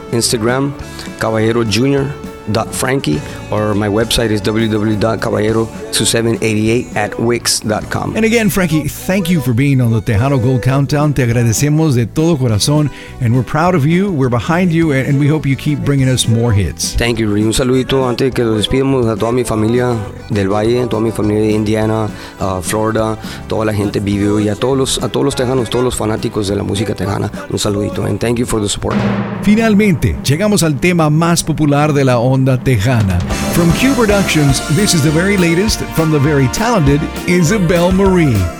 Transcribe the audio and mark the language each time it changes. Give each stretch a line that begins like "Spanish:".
English: Instagram, CaballeroJr.Frankie. Or my website is www.caballero2788@wix.com. And again, Frankie, thank you for being on the Tejano Gold Countdown.
Spanish: Te agradecemos de todo corazón.
English: And we're proud of you. We're behind you. And we hope you keep bringing us more hits. Thank you, Rudy.
Spanish: Un saludito antes que lo despidamos a toda mi familia del Valle, toda mi familia de Indiana, Florida, toda la gente vive hoy, a todos los tejanos, todos los fanáticos de la música tejana. Un saludito.
English: And thank you for the support.
Spanish: Finalmente, llegamos al tema más popular de la onda tejana.
English: From Q Productions, this is the very latest from the very talented Isabel Marie.